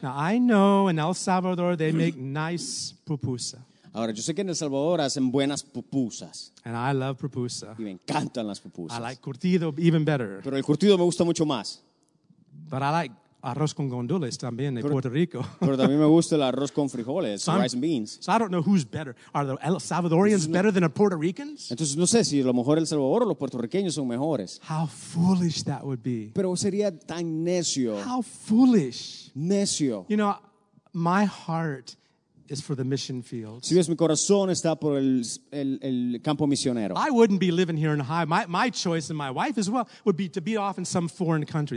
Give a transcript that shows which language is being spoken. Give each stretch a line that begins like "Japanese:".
English: Now, I know in El Salvador they make nice pupusa.
Spanish: Ahora, yo sé que en El Salvador hacen buenas pupusas.
English: And I love pupusa.
Spanish: Y me encantan las pupusas.
English: I like curtido even better.
Spanish: Pero el curtido me gusta mucho más.
English: But I like
Spanish: arroz con gondoles también
English: de Puerto Rico.
Spanish: Pero también me gusta el arroz con frijoles,
English: so rice and beans. So I don't know who's better. Are the El Salvadorians entonces, better than the Puerto Ricans?
Spanish: Entonces no sé si a lo mejor El Salvador o los puertorriqueños son mejores.
English: How foolish that would be.
Spanish: Pero sería tan necio.
English: How foolish.
Spanish: Necio.
English: You know, my heart is for the mission field.
Spanish: Si ves, mi corazón está por el campo misionero.
English: I wouldn't be living here in Ohio. My choice and my wife as well would be to be off in some foreign country.